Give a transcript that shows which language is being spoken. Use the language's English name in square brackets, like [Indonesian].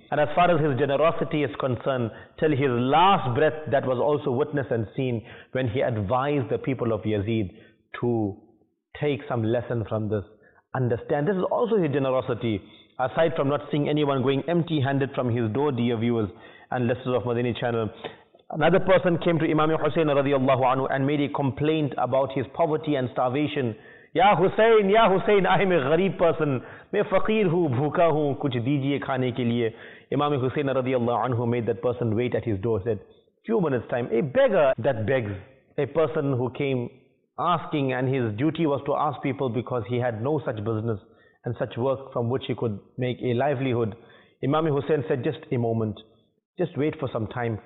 [English] And as far as his generosity is concerned, till his last breath, that was also witnessed and seen when he advised the people of Yazid to take some lesson from this. Understand, this is also his generosity. Aside from not seeing anyone going empty-handed from his door, dear viewers and listeners of Madini channel, another person came to Imam Hussein radiallahu anhu and made a complaint about his poverty and starvation. [Urdu] یا حسین یا حسین, آئے میں غریب person, میں فقیر ہوں, بھوکا ہوں, کچھ دیجئے کھانے کے لیے. [English] Imam Hussein رضی اللہ عنہ made that person wait at his door, said, few minutes time, a beggar that begs, a person who came asking and his duty was to ask people because he had no such business and such work from which he could make a livelihood. Imam Hussein said, just a moment, just wait for some time.